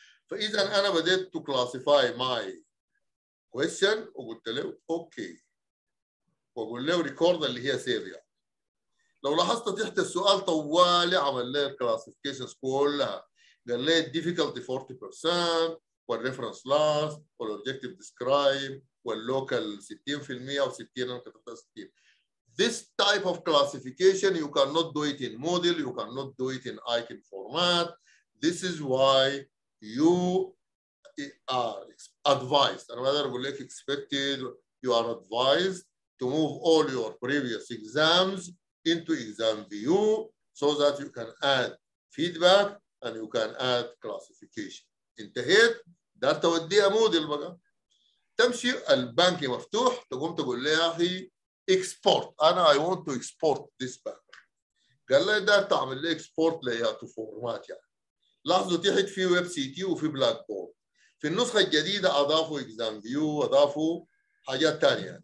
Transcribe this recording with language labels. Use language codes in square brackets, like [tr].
[ar] فاذا انا بديت [en] to classify my question [ar] وقلت له اوكي، واقول له ريكورد اللي هي سيف. لو لاحظت تحت السؤال طوال عمل لي الكلاسيفيكيشنز كلها، قال لي الديفيكولتي 40% والريفرنس لاست والاوبجيكتيف ديسكرايب واللوكال 60% او 60 انا كتبتها 60. [en] This type of classification, you cannot do it in Moodle, you cannot do it in ICANN format. This is why you are advised, and rather would like expected, you are advised to move all your previous exams into exam view so that you can add feedback and you can add classification. [ar] انتهيت؟ دار توديها Moodle بقى. تمشي البنك مفتوح، تقوم تقول لي يا أخي export. أنا [en] I want to export this bank. [ar] قال لي ده تعمل لي export layout format يعني. لاحظوا تحت في ويب سي تي وفي بلاك بورد. في النسخة الجديدة أضافوا exam view وأضافوا حاجات تانية.